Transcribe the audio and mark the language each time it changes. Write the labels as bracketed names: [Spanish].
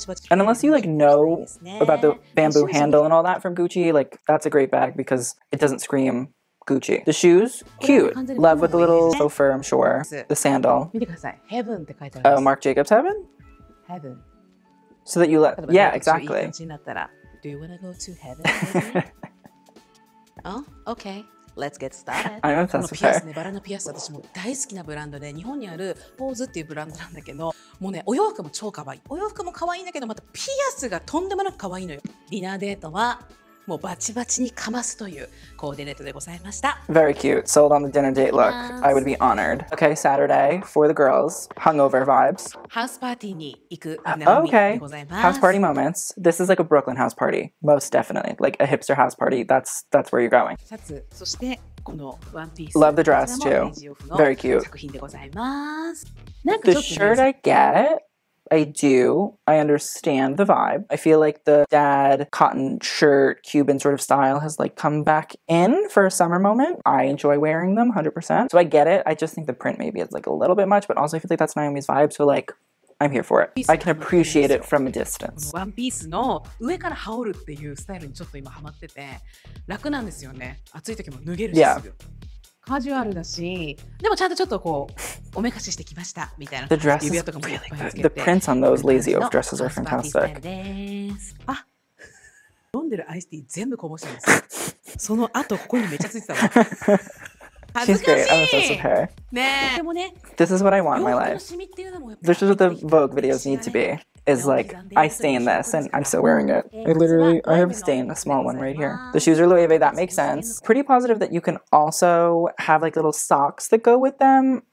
[English] And unless you like know about the bamboo handle and all that from Gucci, like that's a great bag because it doesn't scream Gucci. The shoes, cute. Love with the little faux fur, I'm sure. The sandal. Oh, Marc Jacobs Heaven? Heaven. So that you let. Yeah, exactly. Do you want to go to heaven? Oh, okay. Let's get started. I'm obsessed with her. [Japanese] バラのピアス、私も大好きなブランドで、日本にあるポーズっていうブランドなんだけど、もうね、お洋服も超可愛い。お洋服も可愛いんだけど、またピアスがとんでもなく可愛いのよ。ディナーデートはもうバチバチにかますというコーディネートでございました。 [English] Very cute. Sold on the dinner date look. I would be honored. Okay, Saturday for the girls. Hungover vibes. House party [Japanese] に行く Naomi でございます。 [English] House party moments. This is like a Brooklyn house party. Most definitely. Like a hipster house party. That's where you're going. [Japanese] シャツ、そしてこのワンピース。 [English] Love the dress too. Very cute. [Japanese] 作品でございます。なんかちょっと。 [English] The shirt I get. I do. I understand the vibe. I feel like the dad cotton shirt Cuban sort of style has like come back in for a summer moment. I enjoy wearing them 100%. So I get it. I just think the print maybe is like a little bit much, but also I feel like that's Naomi's vibe. So like, I'm here for it. I can appreciate it from a distance. [Japanese] ワンピースの上から羽織るっていうスタイルにちょっと今ハマってて、楽なんですよね。暑い時も脱げるし。 [English] Yeah. [Japanese] カジュアルだし、でもちゃんとちょっとこうおめかししてきましたみたいな。 [English] The dress is really good. The prints on those lazy oaf dresses are fantastic. [Japanese] あ、飲んでるアイスティー全部こぼしたんです。その後ここにめちゃついてたわ。 [English] She's great. I'm obsessed with her. ねえ。 [Japanese] でもね、 [English] This is what I want in my life. This is what the Vogue videos need to be. is like, I stay in this and I'm still wearing it. I have a stay in a small one right here. The shoes are Loewe, that makes sense. Pretty positive that you can also have like little socks that go with them.